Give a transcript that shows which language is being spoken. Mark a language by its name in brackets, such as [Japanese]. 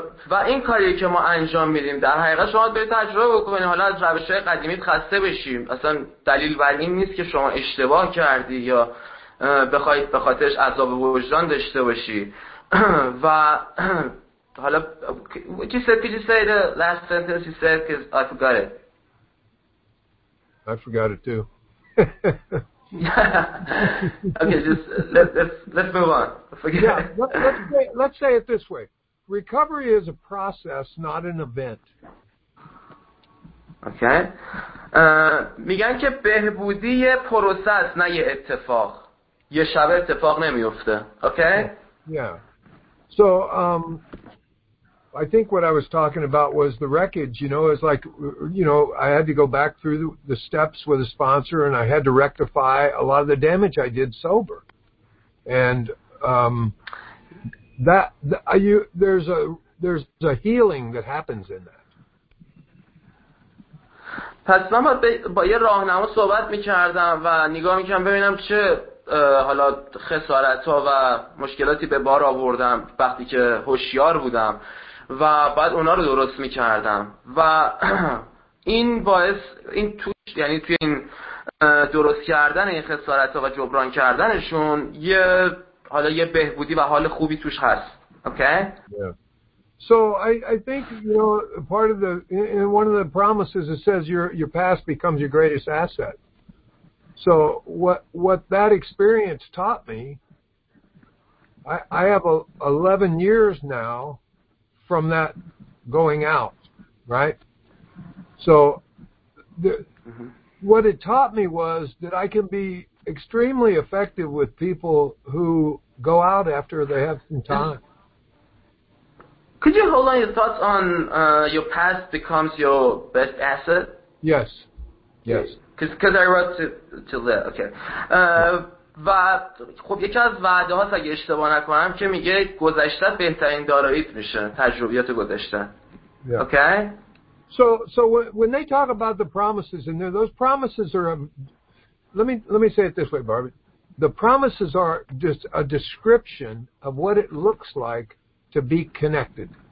[Persian] و این کاری که ما انجام میدیم در حقیقت شما باید تجربه بکنید. حالا از روش‌های قدیمی خسته بشیم، اصلا دلیل بر این نیست که شما اشتباه کردی یا بخواید به خاطرش عذاب وجدان داشته باشی. و حالا [English] what you said, did you say the last sentence you said, because I forgot it. I forgot it too. Okay, just let's move on. Forget it. Let's say it this way. Recovery is a process, not an event. Okay. [Persian] میگن که بهبودی یه پروسه است نه یه اتفاق. یه شب اتفاق نمیفته. Okay? [English] Yeah. So, I think what I was talking about was the wreckage, you know, it's like, you know, I had to go back through the steps with a sponsor and I had to rectify a lot of the damage I did sober. And there's a healing that happens in that. [Persian] پس من با یه راهنما صحبت می‌کردم و نگاه می‌کردم ببینم چه حالا خسارت‌ها و مشکلاتی به بار آوردم وقتی که هوشیار بودم و بعد اونا رو درست می‌کردم و این باعث این توش یعنی توی این درست کردن این خسارت‌ها و جبران کردنشون یه حالا یه بهبودی و حال خوبی توش هست. [English] Okay. Yeah. So I think, you know, part of the in one of the promises it says your past becomes your greatest asset. So what that experience taught me, I have 11 years now from that going out, right? So what it taught me was that I can be extremely effective with people who go out after they have some time. Could you hold on your thoughts on your past becomes your best asset? Yes. Yes. Because I wrote to that. Okay. [Persian] و خب یکی از وعده هاست اگه اشتباه نکنم که میگه گذشته بهترین داراییت میشه، تجربیات گذشته. [English] Okay? So when they talk about the promises in there, those promises are let me say it this way, Barbie. The promises are just a description of what it looks like to be connected.